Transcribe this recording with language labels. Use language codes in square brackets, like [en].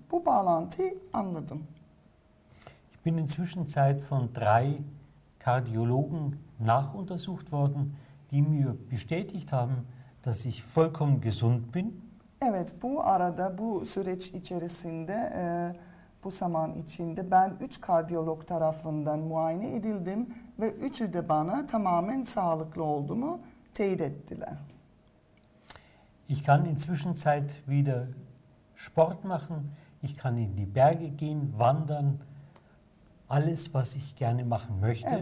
[tr] Bu bağlantıyı anladım. [de] Ich bin inzwischen Zeit von drei Kardiologen nachuntersucht worden, die mir bestätigt haben, dass ich vollkommen gesund bin. [tr] Evet, bu arada, bu süreç içerisinde, bu zaman içinde ben 3 kardiyolog tarafından muayene edildim ve üçü de bana tamamen sağlıklı olduğumu teyit ettiler. [de] Ich kann inzwischen Zeit wieder Sport machen, ich kann in die Berge gehen, wandern, alles was ich gerne machen möchte.